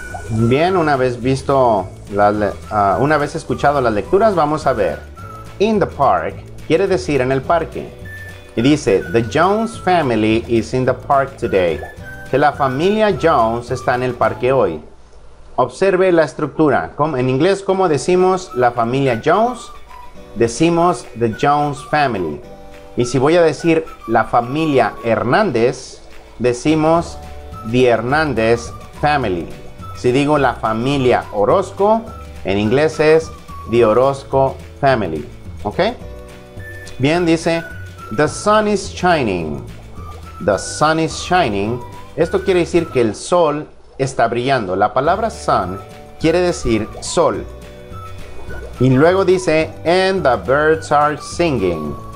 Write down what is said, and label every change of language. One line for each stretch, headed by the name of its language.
Spanish: Bien, una vez visto, una vez escuchado las lecturas, vamos a ver.
English: In the park
Spanish: quiere decir en el parque. Y dice,
English: the Jones family is in the park today.
Spanish: Que la familia Jones está en el parque hoy. Observe la estructura. En inglés, ¿cómo decimos la familia Jones? Decimos
English: the Jones family.
Spanish: Y si voy a decir la familia Hernández, decimos
English: the Hernández family.
Spanish: Si digo la familia Orozco, en inglés es
English: the Orozco family.
Spanish: ¿Ok? Bien, dice
English: the sun is shining. The sun is shining.
Spanish: Esto quiere decir que el sol está brillando. La palabra sun quiere decir sol. Y luego dice
English: and the birds are singing.